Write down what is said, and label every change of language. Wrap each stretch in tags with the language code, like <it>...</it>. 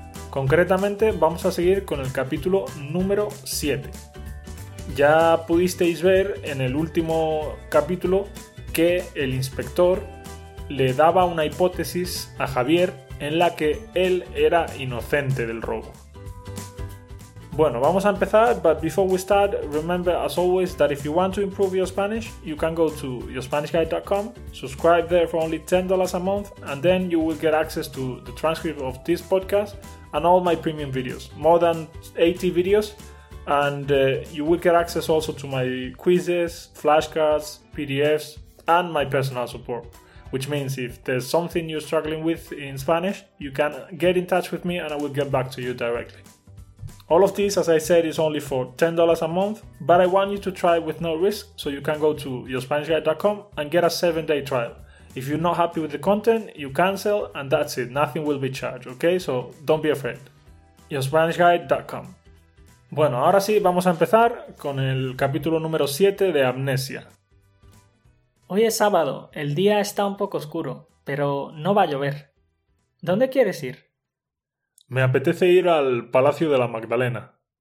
<es>Concretamente, vamos a seguir con el capítulo número 7. Ya pudisteis ver en el último capítulo que el inspector le daba una hipótesis a Javier en la que él era inocente del robo. Bueno, vamos a empezar,</es> <en>but before we start, remember as always that if you want to improve your Spanish, you can go to yourspanishguide.com, subscribe there for only $10 a month, and then you will get access to the transcript of this podcast and all my premium videos, more than 80 videos, and you will get access also to my quizzes, flashcards, PDFs, and my personal support, which means if there's something you're struggling with in Spanish, you can get in touch with me and I will get back to you directly. All of this, as I said, is only for $10 a month, but I want you to try with no risk, so you can go to yourspanishguide.com and get a 7-day trial. If you're not happy with the content, you cancel and that's it, nothing will be charged, okay? So don't be afraid. yourspanishguide.com.</en> <es>Bueno, ahora sí, vamos a empezar con el capítulo número 7 de Amnesia. Hoy es sábado, el día está un poco oscuro, pero no va a llover. ¿Dónde quieres ir? Me apetece ir al Palacio de la Magdalena.</es>